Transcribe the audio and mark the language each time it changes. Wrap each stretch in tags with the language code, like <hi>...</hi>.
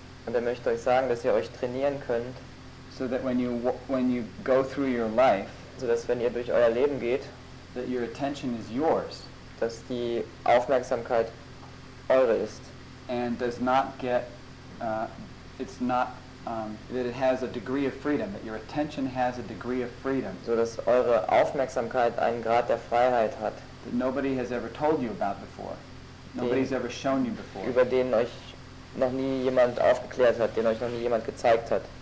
<de>Und er möchte euch sagen, dass ihr euch trainieren könnt.</de> <en>So that when you go through your life,</en> <de>so dass wenn ihr durch euer Leben geht,</de> <en>that your attention is yours,</en> <de>dass die Aufmerksamkeit eure ist,</de> <en>and does not get, it's not that it has a degree of freedom, that your attention has a degree of freedom,</en> <de>so dass eure Aufmerksamkeit einen Grad der Freiheit hat,</de> <en>that nobody has ever told you about before, nobody's ever shown you before,</en> <de>über den euch noch nie jemand aufgeklärt hat, den euch noch nie jemand gezeigt hat.</de>